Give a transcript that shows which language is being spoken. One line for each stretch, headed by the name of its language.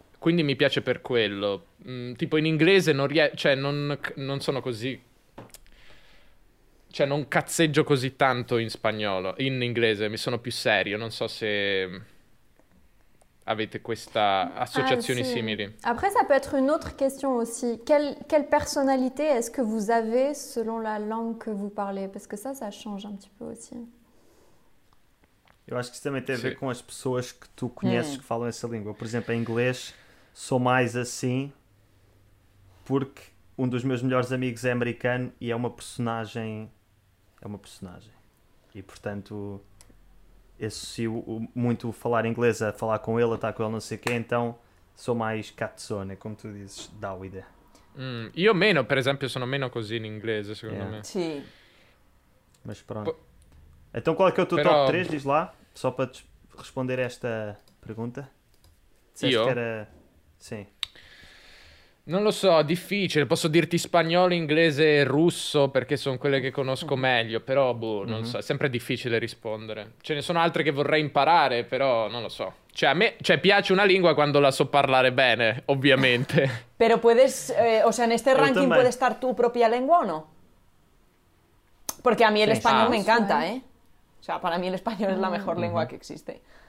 Italian: Quindi mi piace per quello. Tipo in inglese non riesco, cioè non sono così, cioè non cazzeggio così tanto in spagnolo, in inglese mi sono più serio, non so se avete questa associazioni ah, sì. Simili.
French: Après ça peut être une autre question aussi. Quelle personnalité est-ce que vous avez selon la langue que vous parlez? Parce que ça change un petit peu aussi.
Portuguese: Eu acho que isso também tem a ver com as pessoas que tu conheces que falam essa língua. Por exemplo, em inglês, sou mais assim porque um dos meus melhores amigos é americano e é uma personagem. É uma personagem. E, portanto, associo muito falar inglês a falar com ele, a estar com ele, não sei o quê. Então, sou mais cazzone, como tu dizes, Davide. Eu menos, por exemplo,
Italian: sono meno così in inglese, secondo me.
Portuguese: Sim. Mas pronto. Então qual é que é o teu top 3, diz lá, só para responder esta pergunta? Disseste que era... Sim.
Italian: Non lo so, difficile, posso dirti spagnolo, inglese e russo perché sono quelle che conosco meglio, però boh, non so, è sempre difficile rispondere. Ce ne sono altre che vorrei imparare, però non lo so. Cioè a me, cioè piace una lingua quando la so parlare bene, ovviamente.
Spanish: Pero puedes, o sea, en este ranking puede estar tu propia lengua o no? Porque a mí el español me encanta, ¿eh? O sea, para mí el español es la mejor lengua que existe.